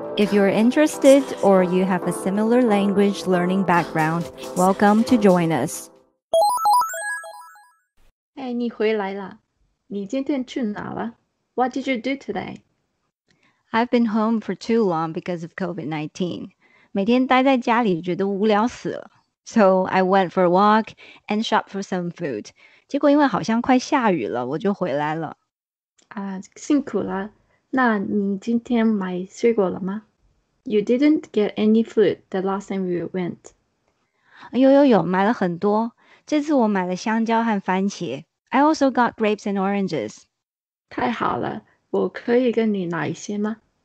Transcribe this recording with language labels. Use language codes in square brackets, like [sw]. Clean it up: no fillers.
[en] If you're interested or you have a similar language learning background, welcome to join us. [zh] Hey, 你回来了。你今天去哪了? [en] What did you do today? I've been home for too long because of COVID-19. [zh] 每天待在家里觉得无聊死了。 [en] So I went for a walk and shopped for some food. [zh] 结果因为好像快下雨了,我就回来了。辛苦了。那你今天买水果了吗? [en] You didn't get any food the last time you went. [zh] 有,买了很多。这次我买了香蕉和番茄。 [en] I also got grapes and oranges. [zh] 太好了,我可以跟你拿一些吗?